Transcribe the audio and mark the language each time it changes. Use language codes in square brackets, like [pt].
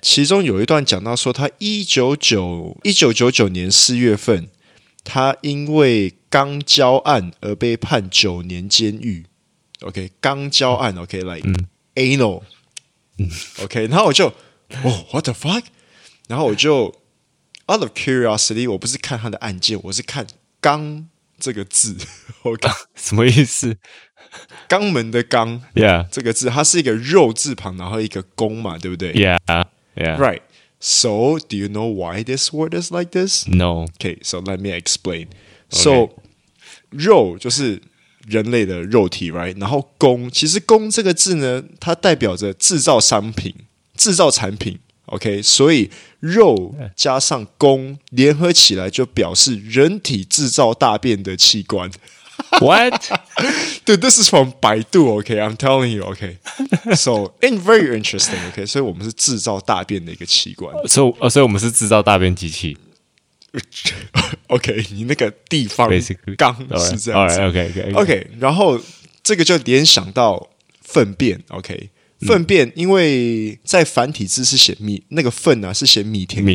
[zh] 其中有一段讲到说，他1999年四月份，他因为肛交案而被判九年监狱 ，OK， 肛交案 ，OK， [en] like anal， [zh] OK， 然后我就哦 ， [en] What the fuck？ [zh] 然后我就。 [en] Out of curiosity， [zh] 我不是看他的案件，我是看“肛”这个字。OK，什么意思？肛门的“肛 [en] ”，Yeah， [zh] 这个字，它是一个肉字旁，然后一个“肛”嘛，对不对 [en] ？Yeah，Yeah，Right。 So， do you know why this word is like this？ No。 Okay， so let me explain。 So，、okay. [zh] 肉就是人类的肉体 [en] ，Right？ [zh] 然后“肛”，其实“肛”这个字呢，它代表着制造商品、制造产品。 OK， 所以肉加上肛联合起来就表示人体制造大便的器官。 [en] What? Dude, this is from 百度 OK, I'm telling you, OK. So, and very interesting, OK. [zh] 所以我们是制造大便的一个器官。所以我们是制造大便机器。 OK, 你那个地方肛是这样子。 [en] Alright, okay, okay, okay. [zh] OK, 然后这个就联想到粪便 OK。粪便，因为在繁体字是写米，那个粪啊是写米田